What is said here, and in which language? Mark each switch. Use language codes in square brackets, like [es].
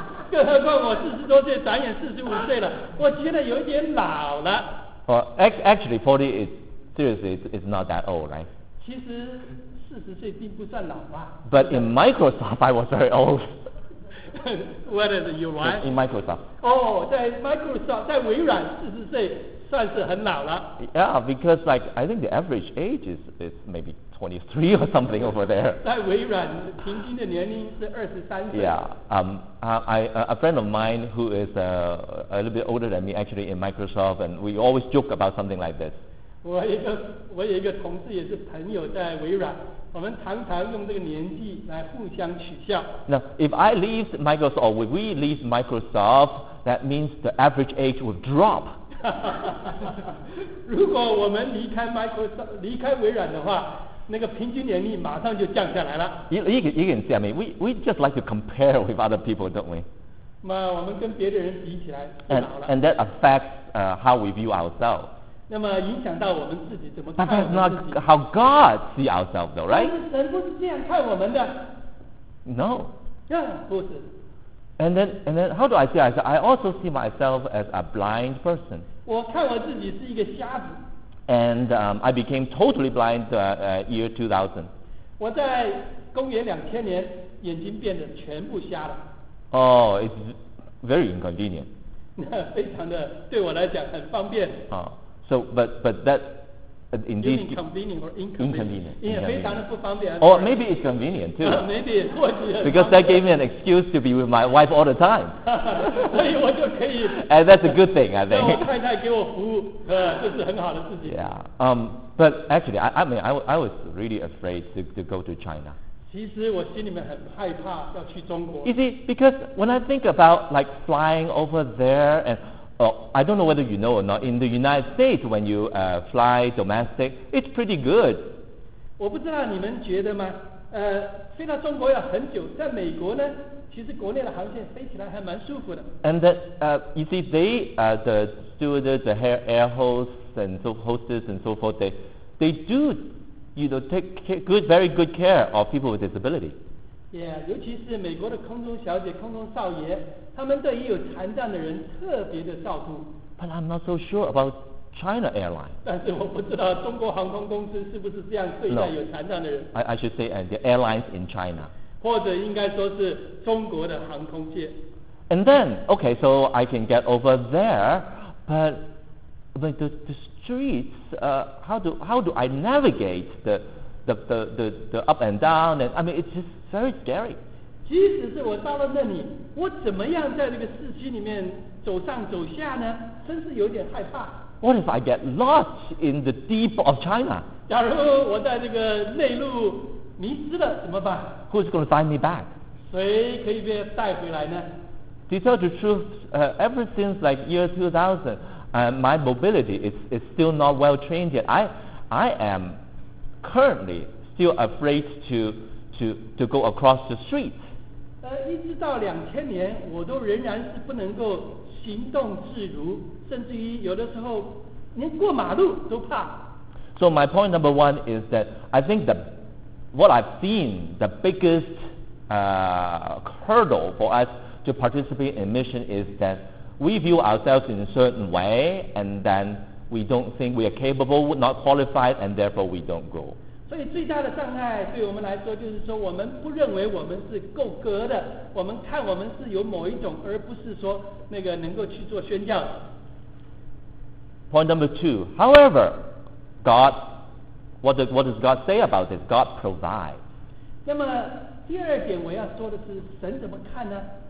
[zh] 更何况我四十多岁，转眼四十五岁了，我觉得有点老了。 [en] Actually, 40 is seriously it's not that old, right? [zh] 其实四十岁并不算老吧。 [en] But in Microsoft, I was very old. What is it, you right? In Microsoft. [zh] 在 Microsoft, 在微软四十岁。算是很老了。 [en] Yeah, because like I think the average age is maybe 23 or something over there. [zh] 在微软平均的年龄是23岁。 [en] Yeah, a friend of mine who is a little bit older than me actually in Microsoft, and we always joke about something like this. [zh] 我有一个同事也是朋友在微软，我们常常用这个年纪来互相取笑。 [en] Now, if I leave Microsoft or if we leave Microsoft, that means the average age will drop. [zh] 如果我们离开 Microsoft 离开微软的话，那个平均年龄马上就降下来了。 [en] You can see, I mean, we just like to compare with other people, don't we? [zh] 嘛，我们跟别的人比起来就老了。 [en] And that affects how we view ourselves. [zh] 那么影响到我们自己怎么看我们自己。 [en] But that's not how God see ourselves, though, right? [zh] 但是神不是这样看我们的。 [en] No. [zh] Yeah, 不是。 [en] And then, how do I see myself? I also see myself as a blind person. [zh] 我看我自己是一个瞎子。 [en] And I became totally blind year 2000. [zh] 我在公元2000年眼睛变得全部瞎了。 [en] Oh, it's very inconvenient. [zh] 非常的对我来讲很方便。 [en] So, but that indeed inconvenient or inconvenient. [zh] 也非常的不方便。 [en] Or maybe it's convenient too. Maybe 或许。 Because that gave me an excuse to be with my wife all the time. [zh] 所以我就可以。 [en] And that's a good thing, I think. [zh] 让我太太给我服务，这是很好的事情。 [en] Yeah. But actually, I was really afraid to go to China. [zh] 其实我心里面很害怕要去中国。 [en] You see, because when I think about like flying over there and. I don't know whether you know or not. In the United States, when you fly domestic, it's pretty good. [zh] 我不知道你们觉得吗？飞到中国要很久，在美国呢，其实国内的航线飞起来还蛮舒服的。 [en] And that, you see, they, the stewardess, the air hosts and so hostess and so forth, they do, you know, take care, good, very good care of people with disability. [zh] Yeah, 尤其是美国的空中小姐、空中少爷，他们对于有残障的人特别的照顾。 [en] But I'm not so sure about China Airlines. [zh] 但是我不知道中国航空公司是不是这样对待有残障的人。 [en] No, I should say, the airlines in China. [zh] 或者应该说是中国的航空界。 [en] And then, okay, so I can get over there, but the streets, how do I navigate the up and down? And I mean, it's just very scary. [zh] 即使是我到了那里，我怎么样在这个市区里面走上走下呢？真是有点害怕。 [en] What if I get lost in the deep of China? [zh] 假如我在这个内陆迷失了，怎么办？ [en] Who's going to find me back? [zh] 谁可以被带回来呢？ [en] To tell the truth, ever since like year 2000, my mobility is still not well trained yet. I am currently still afraid to go across the street. [zh] 一直到2000年，我都仍然是不能够行动自如，甚至于有的时候连过马路都怕。 [en] So my point number one is that I think the what I've seen the biggest hurdle for us. To participate in mission is that we view ourselves in a certain way and then we don't think we are capable, not qualified, and therefore we don't go. [zh] 所以最大的障碍对我们来说就是说我们不认为我们是够格的，我们看我们是有某一种，而不是说那个能够去做宣教。 [en] Point number two, however, God, what does God say about this? God provides. [zh] 那么第二点我要说的是神怎么看呢？